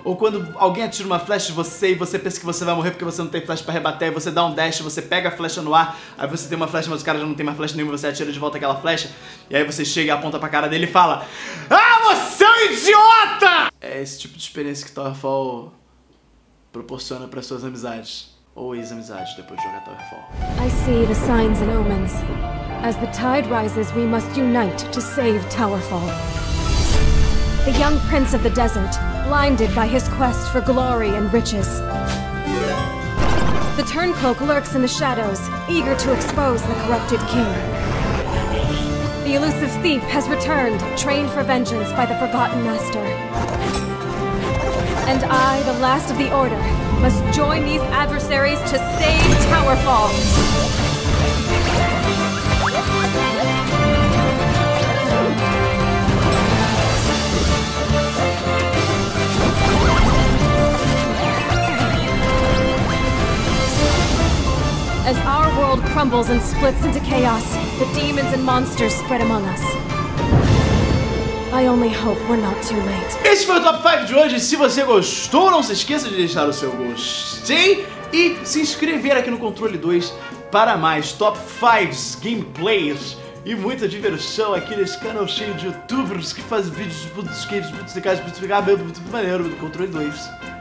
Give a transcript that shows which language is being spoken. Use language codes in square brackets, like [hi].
[pt] Ou quando alguém atira uma flecha de você, e você pensa que você vai morrer porque você não tem flecha pra rebater, aí você dá um dash, você pega a flecha no ar, aí você tem uma flecha, mas o cara já não tem mais flecha nenhuma, você atira de volta aquela flecha, e aí você chega e aponta pra cara dele e fala, ah, você é um idiota! É esse tipo de experiência que Towerfall proporciona para suas amizades ou ex-amizades depois de jogar Towerfall. [en] I see the signs and omens. As the tide rises, we must unite to save Towerfall. The young prince of the desert, blinded by his quest for glory and riches. The turncloak lurks in the shadows, eager to expose the corrupted king. The elusive thief has returned, trained for vengeance by the forgotten master. And I, the last of the Order, must join these adversaries to save Towerfall! As our world crumbles and splits into chaos, the demons and monsters spread among us. I only hope we're not too late. [pt] Esse foi o Top 5 de hoje. Se você gostou, não se esqueça de deixar o seu gostei e se inscrever aqui no Controle 2 para mais Top 5 Gameplays e muita diversão aqui nesse canal cheio de youtubers que fazem vídeos muito escapes, muito legais, muito maneiro do Controle 2.